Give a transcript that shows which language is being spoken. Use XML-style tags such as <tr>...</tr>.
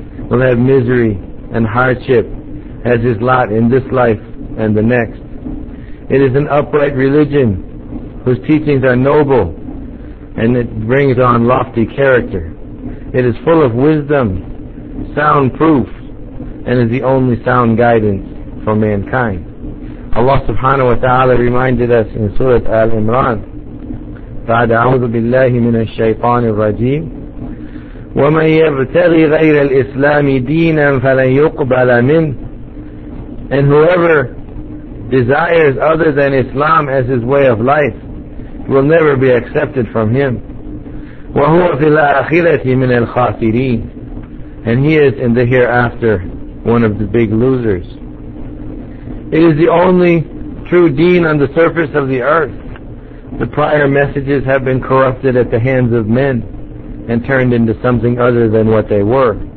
<en>will have misery and hardship as his lot in this life and the next. It is an upright religion whose teachings are noble and it brings on lofty character. It is full of wisdom, sound proof, and is the only sound guidance for mankind. Allah subhanahu wa ta'ala reminded us in Surah Al-Imran,</en> <ar>بعد أعوذ بالله من الشيطان الرجيم ومن يبتغي غير الإسلام دينا فلن يقبل منه.</ar> <en>And whoever desires other than Islam as his way of life will never be accepted from him.</en> <ar>وهو في الآخرة من الخاسرين.</ar> <en>And he is in the hereafter one of the big losers. It is the only true deen on the surface of the earth. The prior messages have been corrupted at the hands of men and turned into something other than what they were.</en>